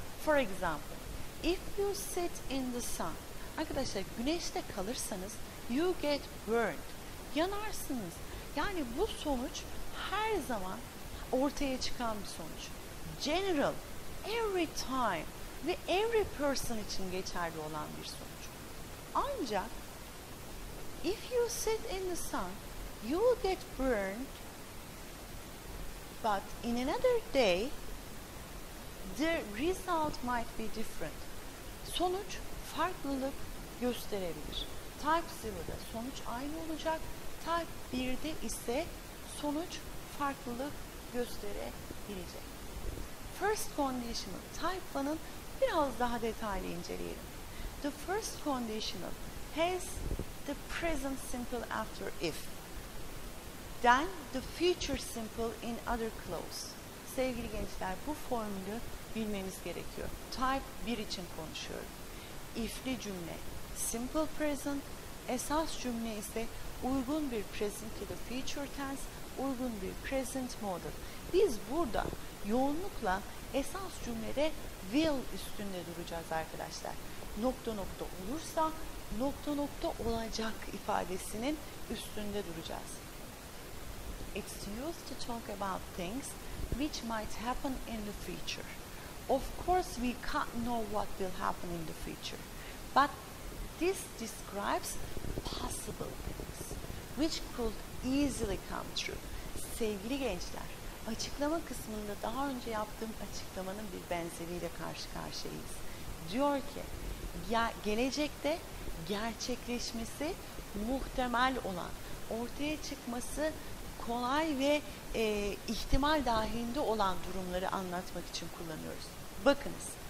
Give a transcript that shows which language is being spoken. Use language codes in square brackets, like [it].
[en] For example, if you sit in the sun, [tr] arkadaşlar güneşte kalırsanız, [en] you get burned, [tr] yanarsınız. Yani bu sonuç her zaman ortaya çıkan bir sonuç. [en] General, every time [tr] ve [en] every person [tr] için geçerli olan bir sonuç. [en] Ancak, if you sit in the sun, you will get burned, but in another day, the result might be different. [tr] Sonuç farklılık gösterebilir. Type 0'da sonuç aynı olacak. Type 1'de ise sonuç farklılık gösterebilecek. First conditional, type 1'ın biraz daha detaylı inceleyelim. [en] The first conditional has the present simple after if. Then the future simple in other clause. [tr] Sevgili gençler, bu formülü bilmeniz gerekiyor. Type 1 için konuşuyorum. If'li cümle simple present, esas cümle ise uygun bir present ya da future tense, uygun bir present model. Biz burada yoğunlukla esas cümlede will üstünde duracağız arkadaşlar. Nokta nokta olursa nokta nokta olacak ifadesinin üstünde duracağız. [en] It's used to talk about things which might happen in the future. Of course, we can't know what will happen in the future. But this describes possible things which could easily come true. [tr] Sevgili gençler, açıklama kısmında daha önce yaptığım açıklamanın bir benzeriyle karşı karşıyayız. Diyor ki, gelecekte gerçekleşmesi muhtemel olan, ortaya çıkması kolay ve ihtimal dahilinde olan durumları anlatmak için kullanıyoruz. Bakınız,